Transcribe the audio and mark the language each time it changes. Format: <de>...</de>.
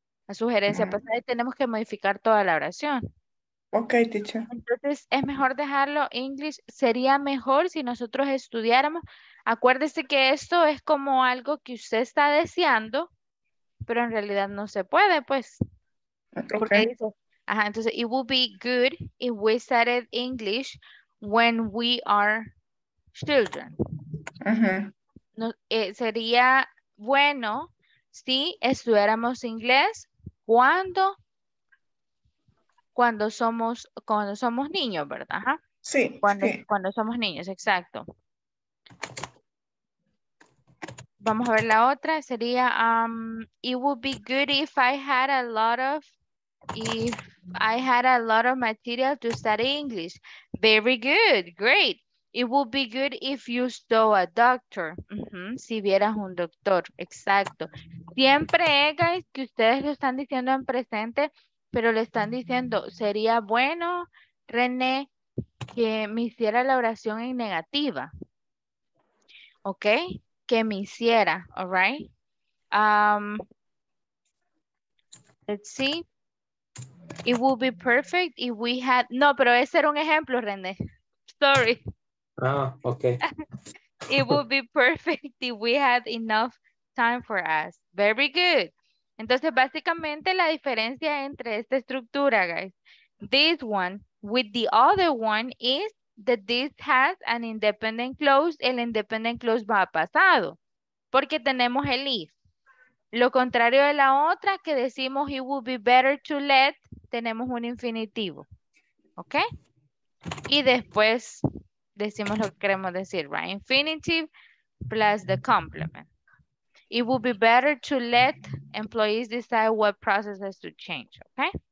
<es>La sugerencia pasada y tenemos que modificar toda la oración.</es> <en>Ok, teacher.</en> <es>Entonces, es mejor dejarlo English. Sería mejor si nosotros estudiáramos. Acuérdese que esto es como algo que usted está deseando, pero en realidad no se puede, pues.</es> <en>Okay.</en> <es>Ajá, entonces,</es> <en>it would be good if we started English when we are children. Uh-huh.</en> <es>No, sería bueno si estudiáramos inglés cuando somos niños, ¿verdad? Ajá. Sí, cuando somos niños, exacto. Vamos a ver la otra, sería,</es> <en>it would be good if I had a lot of material to study English. Very good, great. It would be good if you saw a doctor.</en> <es>Uh-huh. Si vieras un doctor, exacto. Siempre es, guys, que ustedes lo están diciendo en presente, pero le están diciendo, sería bueno, René, que me hiciera la oración en negativa. Ok. Que me hiciera,</es> <en>all right? Let's see. It would be perfect if we had...</en> <es>No, pero ese era un ejemplo, René. Sorry.</es> <en>Ah, okay. It would be perfect if we had enough time for us. Very good.</en> <es>Entonces, básicamente, la diferencia entre esta estructura, guys,</es> <en>this one with the other one</en> <es>is that this has an independent clause, el independent clause va a pasado, porque tenemos el if. Lo contrario de la otra, que decimos</es> <en>it would be better to let,</en> <es>tenemos un infinitivo, ¿ok? Y después decimos lo que queremos decir, right?</es> <en>Infinitive plus the complement. It would be better to let employees decide what processes to change, ¿ok?</en>